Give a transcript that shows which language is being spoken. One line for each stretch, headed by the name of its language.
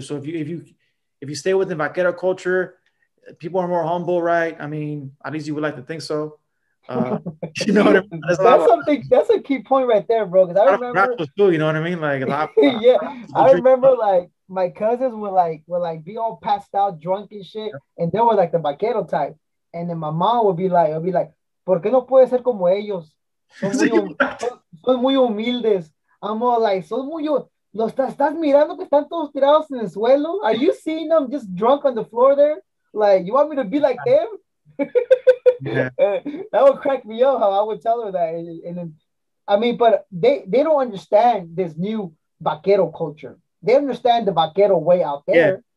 English: So if you stay within vaquero culture, people are more humble, right? I mean, at least you would like to think so. You know what I mean? That's a key point right there, bro. Because I remember, too, you know what I mean? Like, a lot of, yeah, I remember, like, my cousins would be all passed out, drunk and shit. Yeah. And they were like the vaquero type. And then my mom would be like,
Spanish: ¿Por qué no puede ser como ellos? Son muy humildes.
English: I'm all like,
Spanish: son muy humildes. ¿Los estás mirando que están todos tirados en el suelo?
English: Are you seeing them just drunk on the floor there? Like, you want me to be like them? Yeah. That would crack me up how I would tell her that. And then, I mean, but they don't understand this new vaquero culture. They understand the vaquero way out there.